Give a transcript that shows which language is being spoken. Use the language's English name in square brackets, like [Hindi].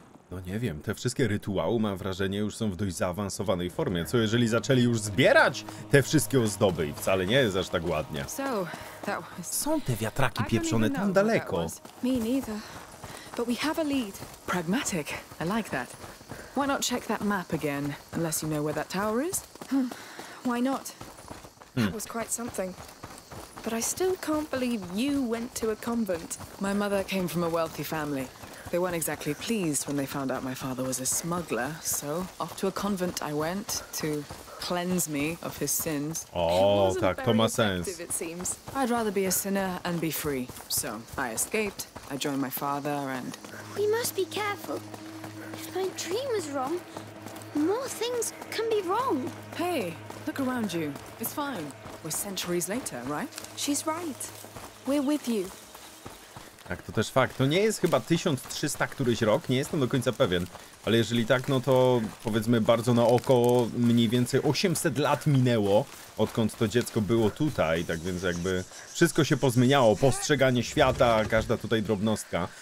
[Polish] No nie wiem, te wszystkie rytuały, mam wrażenie, już są w dość zaawansowanej formie. Co jeżeli zaczęli już zbierać te wszystkie ozdoby i wcale nie jest aż tak ładnie. Są te wiatraki pieprzone tam daleko. [English] But we have a lead. Pragmatic. I like that. Why not check that map again? Unless you know where that tower is? Why not? That was quite something. But I still can't believe you went to a convent. My mother came from a wealthy family. They weren't exactly pleased when they found out my father was a smuggler, so off to a convent I went to cleanse me of his sins. [Polish] Oh, tak, to ma sens. [English] It seems. I'd rather be a sinner and be free. So, I escaped. I joined my father and we must be careful. If my dream was wrong, more things can be wrong. Hey, look around you. It's fine. We're centuries later, right? She's right. We're with you. [Polish] Tak, to też fakt. To nie jest chyba 1300 któryś rok, nie jestem do końca pewien. Ale jeżeli tak, no to powiedzmy bardzo na oko mniej więcej 800 lat minęło, odkąd to dziecko było tutaj, tak więc jakby wszystko się pozmieniało, postrzeganie świata, każda tutaj drobnostka.